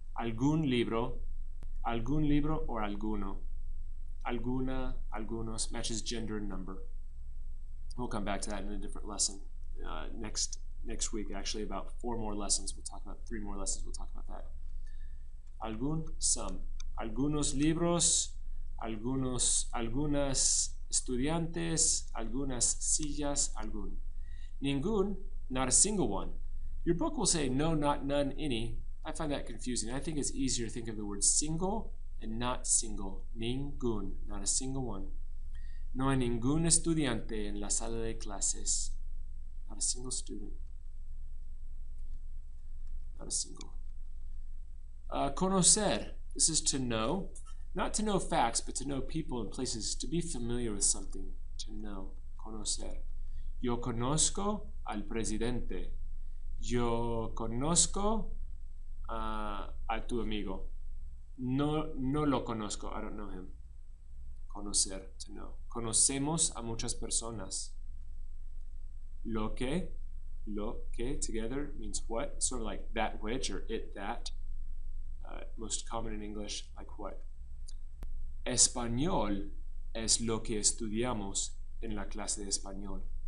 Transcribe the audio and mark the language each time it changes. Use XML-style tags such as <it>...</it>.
<es>Algún libro or alguno.</es> <en>Alguna, algunos matches gender and number. We'll come back to that in a different lesson next week. Actually, about four more lessons. We'll talk about three more lessons. We'll talk about that.</en> <es>Algún, some. Algunos libros, algunos, algunas estudiantes, algunas sillas, algún.</es> <en>Ningún, not a single one. Your book will say no, not none, any. I find that confusing. I think it's easier to think of the word single and not single. Ningún, not a single one.</en> <es>No hay ningún estudiante en la sala de clases.</es> <en>Not a single student. Not a single. Conocer. This is to know. Not to know facts, but to know people and places. To be familiar with something. To know. Conocer.</en> <es>Yo conozco al presidente. Yo conozco a tu amigo. No lo conozco.</es> <en>I don't know him. Conocer. To know.</en> <es>Conocemos a muchas personas. Lo que,</es> <en>together, means what? Sort of like that which or it that. Most common in English, like what?</en> <es>Español es lo que estudiamos en la clase de español.</es>